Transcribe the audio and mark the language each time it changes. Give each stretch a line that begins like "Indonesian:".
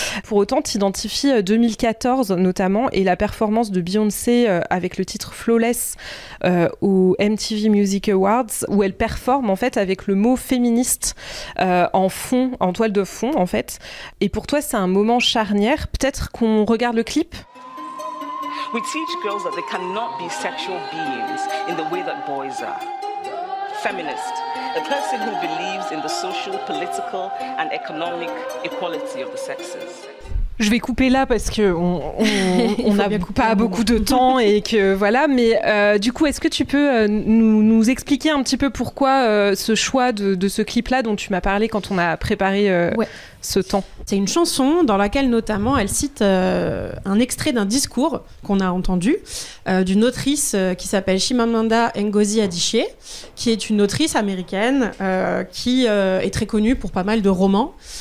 French: Pour autant, t'identifies 2014 notamment et la performance de Beyoncé avec le titre Flawless au MTV Music Awards, où elle performe en fait avec le mot féministe en fond, en toile de fond en fait. Et pour toi, c'est un moment charnière. Peut-être qu'on regarde le clip.
English: We teach girls that they cannot be sexual beings in the way that boys are. Feminist, a person who believes in the social, political and economic equality of the sexes.
French: Je vais couper là parce que on n'a pas beaucoup de temps et que voilà. Mais du coup, est-ce que tu peux nous expliquer un petit peu pourquoi ce choix de ce clip-là dont tu m'as parlé quand on a préparé ce temps? C'est une chanson dans laquelle notamment elle cite un extrait d'un discours qu'on a entendu d'une autrice qui s'appelle Chimamanda Ngozi Adichie, qui est une autrice américaine qui est très connue pour pas mal de romans.